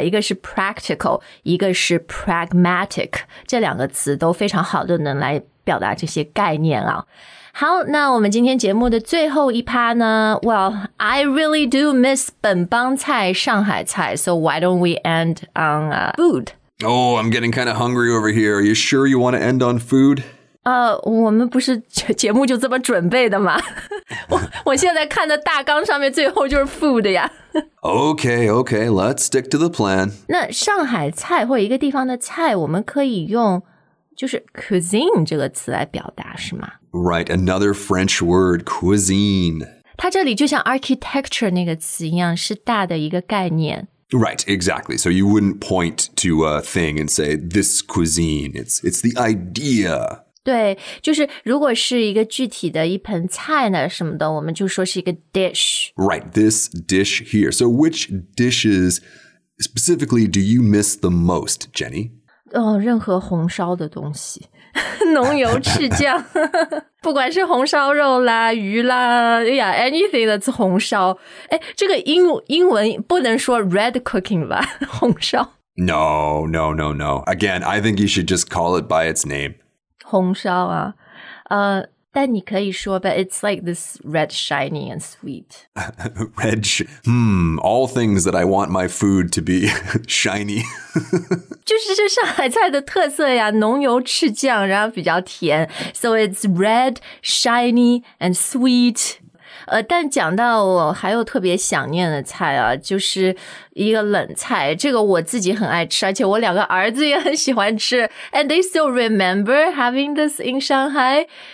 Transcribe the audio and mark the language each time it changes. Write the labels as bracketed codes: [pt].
[zh] 一个是 practical， 一个是 pragmatic， 这两个词都非常好，都能来表达这些概念啊。好，那我们今天节目的最后一趴呢 ？ [en] Well, I really do miss [zh] 本帮菜、上海菜. [en] So why don't we end on food? Oh, I'm getting kind of hungry over here. Are you sure you want to end on food? [zh] 我们不是节目就这么准备的吗？我现在看的大纲上面最后就是 food 呀。 [en] Okay, okay, let's stick to the plan. [zh] 那上海菜或一个地方的菜，我们可以用就是 cuisine 这个词来表达，是吗？ [en] Right, another French word, cuisine. [zh] 它这里就像 architecture 那个词一样，是大的一个概念。 [en] Right, exactly. So you wouldn't point to a thing and say, this cuisine. It's the idea. [zh] 对，就是如果是一个具体的一盆菜呢什么的，我们就说是一个 dish. [en] Right, this dish here. So which dishes specifically do you miss the most, Jenny? [zh] 任何红烧的东西。浓油赤酱不管是红烧肉啦鱼啦 [en] yeah, anything that's [zh] 红烧这个英文不能说 [en] red cooking [zh] 吧红烧 [en] No. Again, I think you should just call it by its name. [zh] 红烧啊但你可以说 [en] but it's like this red shiny and sweet. Red, all things that I want my food to be shiny. [zh] 就是这上海菜的特色呀浓油赤酱然后比较甜。 [en] So it's red, shiny and sweet. [zh] 但讲到我还有特别想念的菜啊就是一个冷菜这个我自己很爱吃而且我两个儿子也很喜欢吃。 [en] And they still remember having this in Shanghai.